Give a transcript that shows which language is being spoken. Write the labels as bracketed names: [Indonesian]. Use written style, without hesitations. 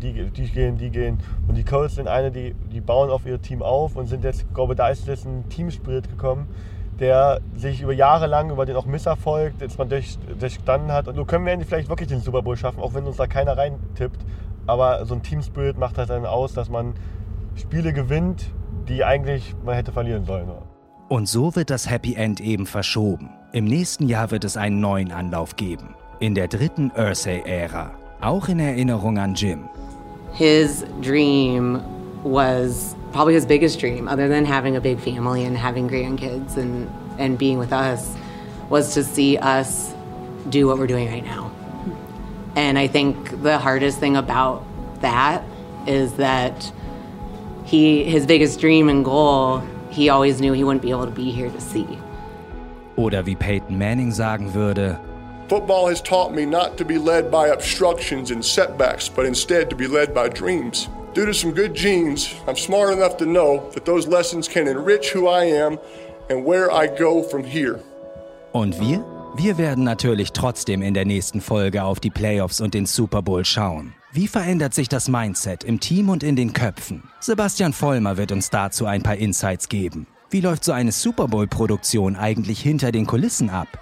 [German] Die gehen. Und die Colts sind eine, die bauen auf ihr Team auf und sind jetzt, glaube ich, da ist jetzt ein Teamspirit gekommen, der sich über Jahre lang, über den auch Misserfolg, den man durchstanden hat. Und so können wir vielleicht wirklich den Super Bowl schaffen, auch wenn uns da keiner reintippt. Aber so ein Teamspirit macht halt dann aus, dass man Spiele gewinnt, die eigentlich man hätte verlieren sollen. Und so wird das Happy End eben verschoben. Im nächsten Jahr wird es einen neuen Anlauf geben. In der dritten Ursae-Ära. Auch in Erinnerung an Jim. [English] His dream was probably his biggest dream, other than having a big family and having grandkids and being with us, was to see us do what we're doing right now. And I think the hardest thing about that is that his biggest dream and goal, he always knew he wouldn't be able to be here to see. [German] Oder wie Peyton Manning sagen würde, [English] Football has taught me not to be led by obstructions and setbacks, but instead to be led by dreams. Due to some good genes, I'm smart enough to know that those lessons can enrich who I am and where I go from here. [German] Und wir? Wir werden natürlich trotzdem in der nächsten Folge auf die Playoffs und den Super Bowl schauen. Wie verändert sich das Mindset im Team und in den Köpfen? Sebastian Vollmer wird uns dazu ein paar Insights geben. Wie läuft so eine Super Bowl-Produktion eigentlich hinter den Kulissen ab?